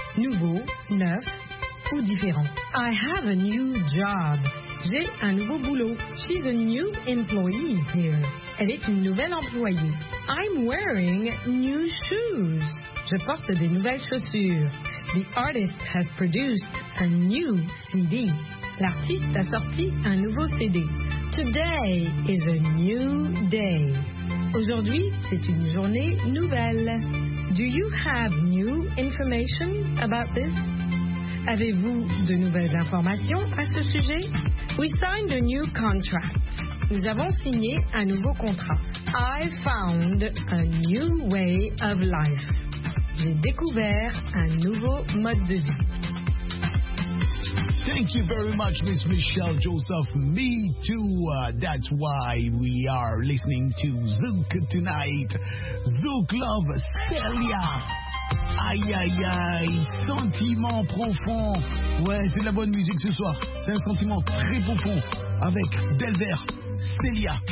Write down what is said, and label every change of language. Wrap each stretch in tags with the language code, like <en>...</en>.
<fr>Nouveau, neuf ou différent.</fr> <en>I have a new job.</en> <fr>J'ai un nouveau boulot.</fr> <en>She's a new employee here.</en> <fr>Elle est une nouvelle employée.</fr> <en>I'm wearing new shoes.</en> <fr>Je porte des nouvelles chaussures.</fr> <en>The artist has produced a new CD.</en> <fr>L'artiste a sorti un nouveau CD.</fr> <en>Today is a new day.</en> <fr>Aujourd'hui, c'est une journée nouvelle.</fr> <en>Do you have new information about this?</en> <fr>Avez-vous de nouvelles informations à ce sujet?</fr> <en>We signed a new contract.</en> <fr>Nous avons signé un nouveau contrat.</fr> <en>I found a new way of life.</en> <fr>J'ai découvert un nouveau mode de vie.</fr> <en>Thank you very much, Miss Michelle Joseph. Me too. That's why we are listening to Zouk tonight. Zouk love Celia.</en> <fr>Aïe, aïe, aïe, sentiment profond. Ouais, c'est de la bonne musique ce soir. C'est un sentiment très profond avec Delver, Celia.</fr>